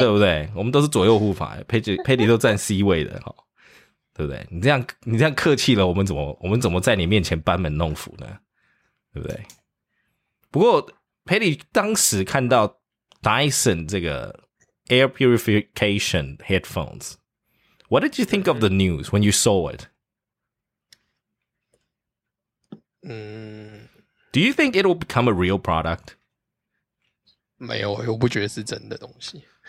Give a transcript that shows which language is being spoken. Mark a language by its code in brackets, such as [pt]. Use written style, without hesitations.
[zh] 对不对，我们都是左右护法。Patty 都站 C 位的，哦，对不对，你这样客气了，我们怎么在你面前班门弄斧呢，对不对？不过 Patty 当时看到 Dyson 这个 [en] Air Purification Headphones,What did you think of the news when you saw it? Do you think it will become a real product? [zh] 没有，我不觉得是真的东西。